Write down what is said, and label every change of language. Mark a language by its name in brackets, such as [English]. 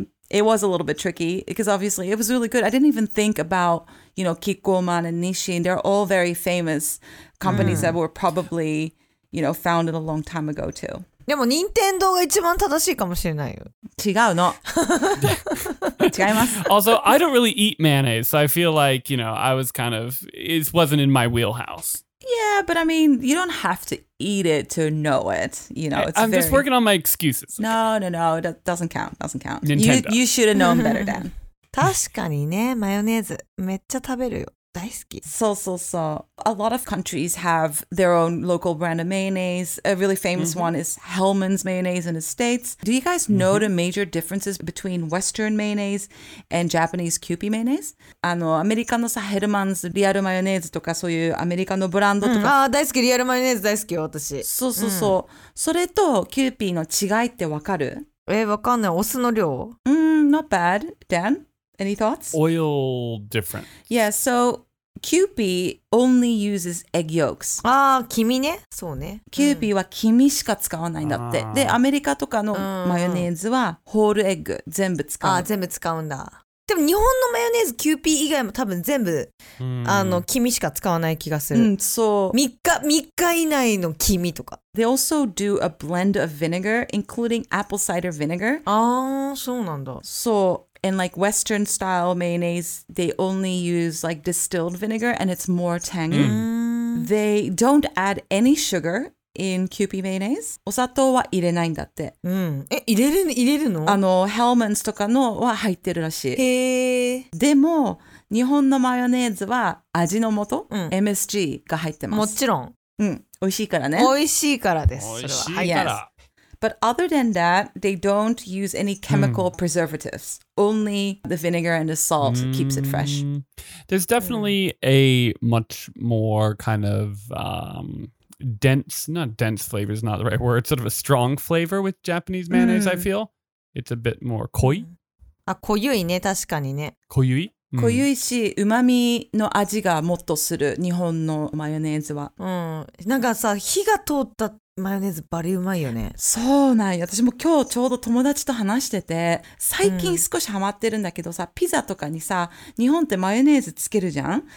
[English] It was a little bit tricky, because obviously it was really good. I didn't even think about, you know, Kikkoman and Nissin. They're all very famous companies that were probably... You know, founded a long time ago too. [Japanese] でも任天堂が一番正しいかもしれないよ。違うの。違います。 [English] Also, I don't really eat mayonnaise, so I feel like, you know, I was kind of, it wasn't in my wheelhouse. Yeah, but I mean, you don't have to eat it to know it. You know, it's I'm just working on my excuses. No, no, no. That doesn't count. Doesn't count. Nintendo. You should have known better, Dan. [Japanese] 確かにね、マヨネーズめっちゃ食べるよ。大好き。そうそうそう。 [English] A lot of countries have their own local brand of mayonnaise. A really famous、mm-hmm. one is Hellmann's mayonnaise in the States. Do you guys know、mm-hmm. the major differences between Western mayonnaise and Japanese Kewpie mayonnaise? [Japanese] あの、アメリカのさ、ヘルマンズリアルマヨネーズとかそういうアメリカのブランドとか。 Mm-hmm. ああ、大好き。リアルマヨネーズ大好きよ、私。そうそうそう。Mm-hmm. それと Kewpie の違いってわかる？わかんない。お酢の量？ [English] Not bad, Dan. Any thoughts? Oil different. Yeah, so Kewpie only uses egg yolks. [Japanese] Ah, 黄身ね。そうね。 Kewpie は黄身しか使わないんだって。Ah. で、アメリカとかのマヨネーズはホールエッグ全部使う。ああ、全部使うんだ。でも日本のマヨネーズ Kewpie 以外も多分全部、mm. あの黄身しか使わない気がする。うん、そう。 3日以内の黄身とか。 [English] They also do a blend of vinegar, including apple cider vinegar. [Japanese] ああ、そうなんだ。そう。 [English] And like Western style mayonnaise, they only use like distilled vinegar and it's more tangy.、 Mm. They don't add any sugar in Kewpie mayonnaise. [Japanese] お砂糖は入れないんだって。うん。え、入れるの？あの、Hellmann's とかのは入ってるらしい。へぇ。でも、日本のマヨネーズは味の素、うん、MSG が入ってます。もちろん。うん。美味しいからね。美味しいからです。美味しいから。Yes. [English] But other than that, they don't use any chemical、mm. preservatives. Only the vinegar and the salt、mm. keeps it fresh. There's definitely、mm. a much more kind of、dense, not dense flavor is not the right word, sort of a strong flavor with Japanese mayonnaise,、mm. I feel. It's a bit more koi. [Japanese] あ、濃ゆいね、確かにね。濃ゆい？濃ゆいし、うまみの味がもっとする日本のマヨネーズは。うん。なんかさ、火が通ったってマヨネーズバリうまいよね。そうなんよ。私も今日ちょうど友達と話してて、最近少しハマってるんだけどさ、うん、ピザとかにさ、日本ってマヨネーズつけるじゃん。